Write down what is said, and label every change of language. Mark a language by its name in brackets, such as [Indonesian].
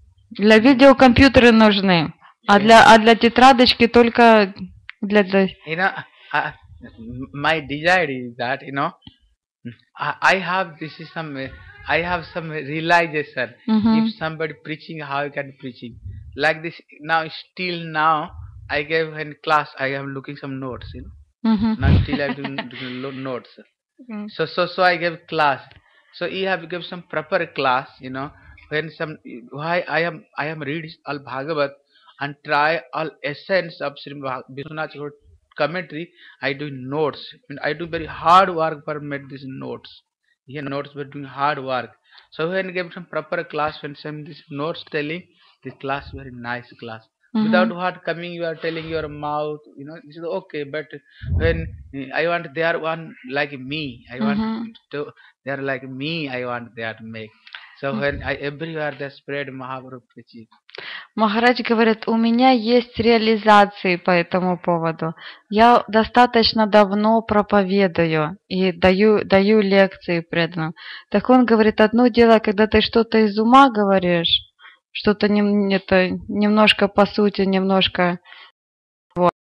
[Russian] Для видео компьютеры нужны. А для тетрадочки только для... [English] You know, my desire is that, you know, I have some realization. Mm-hmm. If somebody preaching, how I can preaching. Like this, now, still now, I gave in class, I am looking some notes, you know. Mm-hmm. Now, still I doing notes. Mm. So I gave class. So, you have given some proper class, you know, when some... Why I am reading all Bhagavad, and try all essence of Srimad Vishnu commentary, I do notes. I do very hard work for make these notes. Yeah, notes were doing hard work. So when I gave some proper class, when some this notes telling, this class very nice class. Mm-hmm. Without what coming, you are telling your mouth, you know, this is okay. But when I want, they are one like me. I want they are to make. So when I everywhere they spread Mahaprabhu preaching. [Russian] Махарадж говорит, у меня есть реализации по этому поводу. Я достаточно давно проповедую и даю лекции преданным. Так он говорит, одно дело, когда ты что-то из ума говоришь, что-то это немножко по сути, немножко... Вот.